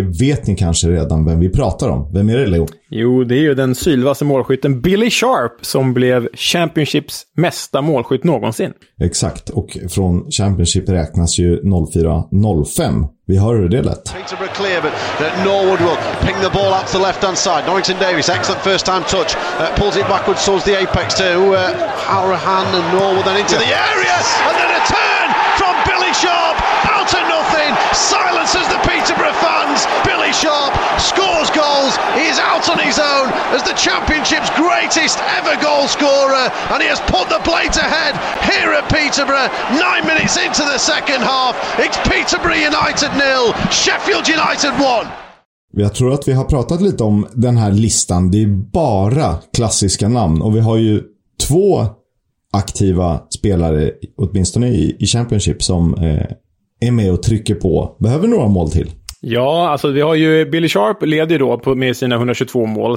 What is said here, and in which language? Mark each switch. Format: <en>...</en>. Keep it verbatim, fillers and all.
<sv>Det vet ni kanske redan vem vi pratar om. Vem är det, Leo? Jo, det är ju den sylvaste målskytten Billy Sharp, som blev Championships mesta målskytt någonsin. Exakt, och från Championship räknas ju noll fyra noll fem. Vi hör hur det lät.</sv> <en>Peterborough clear, but Norwood will ping the ball up to the left-hand side. Norrington Davies, excellent first-time touch. Uh, pulls it backwards towards the apex to uh, Arahan and Norwood, then into the area, and then a turn from Billy Sharp, out of nothing, silences the Peterborough fans. Billy Sharp scores goals, he is out on his own as the Championship's greatest ever goal scorer, and he has put the plate ahead here at Peterborough, nine minutes into the second half. It's Peterborough United nil, Sheffield United one.</en> <sv>Jag tror att vi har pratat lite om den här listan. Det är bara klassiska namn, och vi har ju två aktiva spelare, åtminstone i, i Championship, som eh, är med och trycker på. Behöver några mål till? Ja, alltså vi har ju Billy Sharp leder då på, med sina etthundratjugotvå mål.</sv>